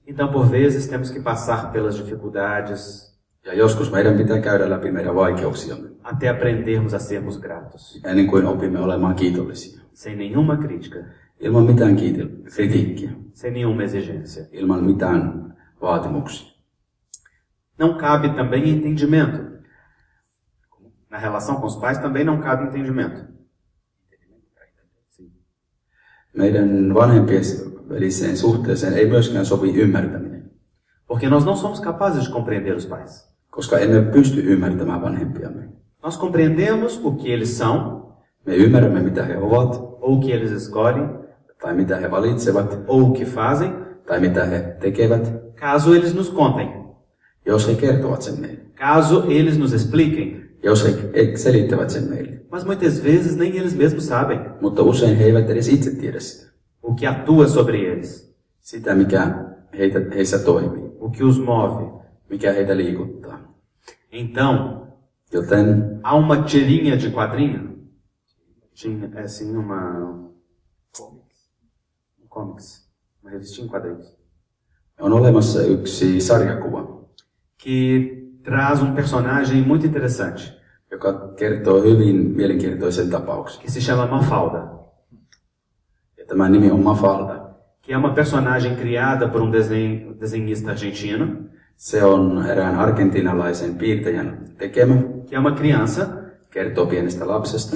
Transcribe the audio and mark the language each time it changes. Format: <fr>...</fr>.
<pt>Então, por vezes, temos que passar pelas dificuldades.</pt> <fi>Ja joskus meidän pitää käydä läpi meidän vaikeuksiamme.</fi> <pt>Até aprendermos a sermos gratos.</pt> <fi>Ennen kuin opimme olemaan kiitollisia.</fi> <pt>Sem nenhuma crítica.</pt> <fi>Ilman mitään kritiikkiä.</fi> <pt>Sem nenhuma exigência.</pt> <fi>Ilman mitään vaatimuksia.</fi> <pt>Não cabe também entendimento. Na relação com os pais também não cabe entendimento.</pt> <fi>Meidän vanhempien väliseen suhteeseen ei myöskään sovi ymmärtäminen.</fi> <pt>Porque nós não somos capazes de compreender os pais.</pt> <fi>Koska emme pysty ymmärtämään vanhempiamme.</fi> <pt>Nós compreendemos o que eles são.</pt> <fi>Me ymmärrämme, mitä he ovat.</fi> <pt>Ou o que eles escolhem.</pt> <fi>Tai mitä he valitsevat.</fi> <pt>Ou o que fazem.</pt> <fi>Tai mitä he tekevät.</fi> <pt>Caso eles nos contem.</pt> <fi>Jos he kertovat sen meille.</fi> <pt>Caso eles nos expliquem.</pt> <fi>Jos he selittävät sen meille.</fi> <pt>Mas muitas vezes nem eles mesmos sabem.</pt> <fi>Mutta usein he eivät edes itse tiedä sitä.</fi> <pt>O que atua sobre eles.</pt> <fi>Sitä, mikä heissä toimii.</fi> <pt>O que os move.</pt> <fi>Mikä heitä liikuttaa.</fi> <pt>Então,</pt> <fi>joten,</fi> <pt>há uma tirinha de quadrinho. Tinha, é assim, uma... Comics. Uma revistinha em quadrinhos.</pt> <fi>On olemassa yksi sarjakuva.</fi> <pt>Que traz um personagem muito interessante.</pt> <fi>Joka kertoo hyvin mielenkiintoisen tapauksen.</fi> <pt>Que se chama Mafalda.</pt> <fi>Ja tämä nimi on Mafalda.</fi> <pt>Que é uma personagem criada por um desenhista argentino.</pt> <fi>Se on erään argentinalaisen piirtäjän tekemä.</fi> <pt>Que é uma criança.</pt> <fi>Kertoo pienestä lapsesta.</fi>